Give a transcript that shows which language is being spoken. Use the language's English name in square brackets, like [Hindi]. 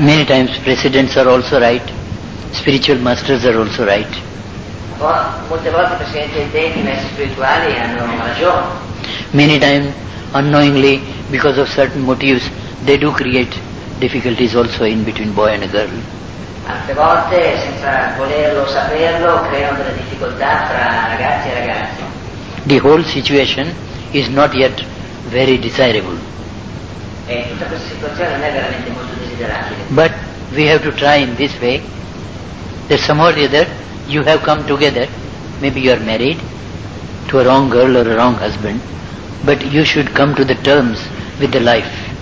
[English] Many times presidents are also right, spiritual masters are also right. Many times, unknowingly, because of certain motives, they do create difficulties also in between boy and a girl. [Italian] Altre volte, senza volerlo saperlo, creano delle difficoltà tra ragazzi e ragazzi. [English] The whole situation is not yet very desirable. [Italian] E tutta questa situazione non è veramente molto desiderabile. [English] But we have to try in this way, that somehow or the other, you have come together, maybe you are married to a wrong girl or a wrong husband, but you should come to the terms with the life.